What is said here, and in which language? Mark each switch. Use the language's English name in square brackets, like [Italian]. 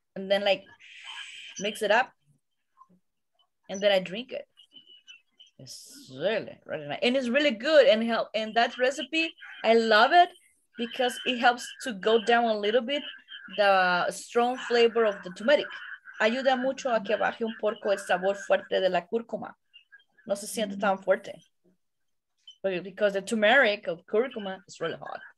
[English] And then mix it up, and then I drink it. It's really, really nice. And it's really good and help. And that recipe, I love it because it helps to go down a little bit the strong flavor of the turmeric. [Spanish] ayuda mucho a que baje un poco el sabor fuerte de la cúrcuma. No se siente tan fuerte. [English] Because the turmeric of curcuma is really hot.